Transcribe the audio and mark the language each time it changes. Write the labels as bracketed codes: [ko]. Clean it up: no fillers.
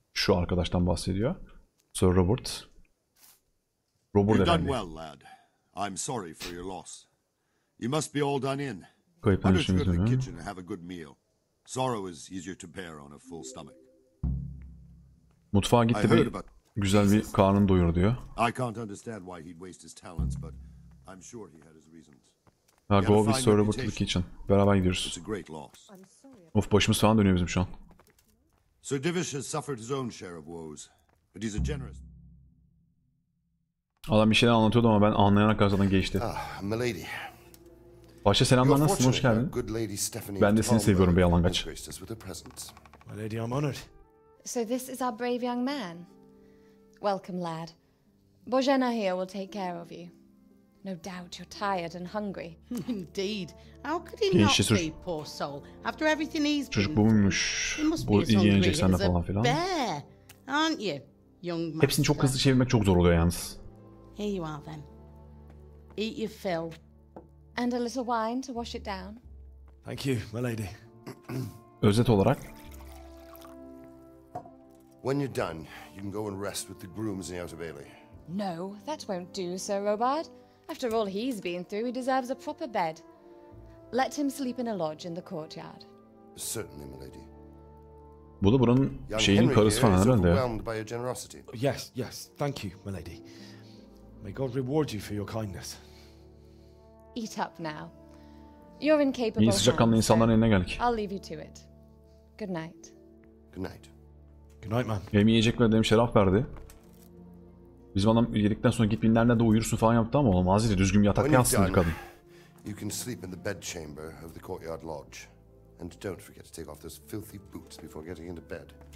[tr] Şu arkadaştan bahsediyor. Sir Robert. Robert efendi. [en] Well, lad. I'm sorry for your loss. You must be all done in. [tr] Kayıp anlaşılmış değil mi? [en] Have a good meal. Sorrow is easier to bear on a full stomach. [tr] Mutfağa gitti bir güzel bir karnını doyur diyor. [en] I can't understand why he'd waste his talents, but I'm sure he had his reasons. Ha, go with Sir Robert to the kitchen. [tr] Beraber gidiyoruz. Of, başımız falan dönüyor bizim şu an. [en] Sir Divish has suffered his own share of woes, but he's a generous. [tr] Adam bir şeyler anlatıyordu ama ben anlayana kadar zaten geçti. [en] Milady. [tr] Başta selamlar, nasılsın, hoş geldin. Ben de seni seviyorum bey yalangaç. [en] Milady, I'm honored. So this is our brave young man. Welcome, lad. Bojena here will take care of you. No doubt you're tired and hungry. Indeed. How could he not be, poor soul? After everything he's been. [tr] Çocuk buymuş. Bu ilgilenecek sende falan filan. [en] Bear, aren't you, young man? [tr] Hepsini çok hızlı çevirmek çok zor oluyor yalnız. [en] Here you are then. Eat your fill. And a little wine to wash it down. Thank you, my lady. [tr] Özet olarak [en] When you're done, you can go and rest with the grooms in the outer bailey. No, that won't do, Sir Robard. After all he's been through, he deserves a proper bed. Let him sleep in a lodge in the courtyard. Certainly, my lady. [tr] Bu da buranın şeyin karısı falan herhalde. [en] Yes, yes. Thank you, my lady. May God reward you for your kindness. Eat up now. You're incapable. [tr] İyi sıcakkanlı insanların eline geldik. [en] I'll leave you to it. Good night. Good night. Good night, man. [tr] Hem yiyecek verdim, şeraf verdi. Bizim adam yedikten sonra git binlerine de uyursun falan yaptı ama olmaz dedi. Düzgün yatakta yatsın bir kadın. [en] You can sleep in the bedchamber of the courtyard lodge. And don't forget to take off those filthy boots before getting into bed.